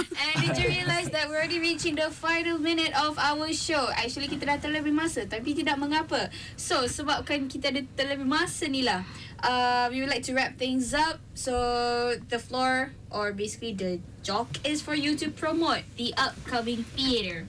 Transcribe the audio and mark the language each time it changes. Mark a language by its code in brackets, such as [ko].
[en] And did you realise that we're already reaching the final minute of our show? [ms] Actually, kita dah terlebih masa tapi tidak mengapa. So, sebabkan kita ada terlebih masa ni lah. [en] We would like to wrap things up. So the floor, or basically the jock, is for you to promote the upcoming theater.